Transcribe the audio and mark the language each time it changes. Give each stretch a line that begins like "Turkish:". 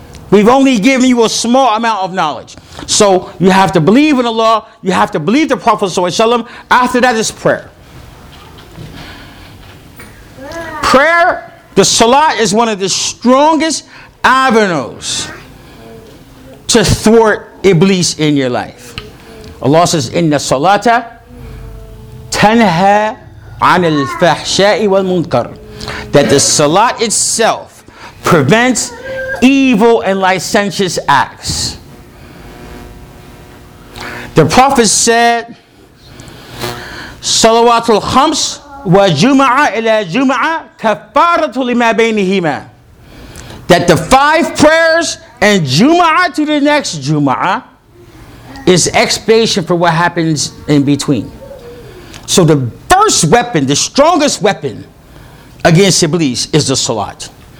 English: We've only given you a small amount of knowledge. So you have to believe in Allah. You have to believe the Prophet ﷺ. After that is prayer. Prayer, the salat, is one of the strongest avenues to thwart Iblis in your life. Allah says,
Arabic: إِنَّ الصَّلَاةَ تَنْهَى عَنِ الْفَحْشَاءِ وَالْمُنْكَرِ.
English: That the salat itself prevents evil and licentious acts. The Prophet said,
Arabic: صَلَوَاتُ الْخَمْسِ وَجُمَعَ إِلَى جُمَعَ كَفَّارَةُ لِمَا بَيْنِهِمَا.
English: That the five prayers and Jumu'ah to the next Jumu'ah is expiation for what happens in between. So the first weapon, the strongest weapon against Iblis is the Salat.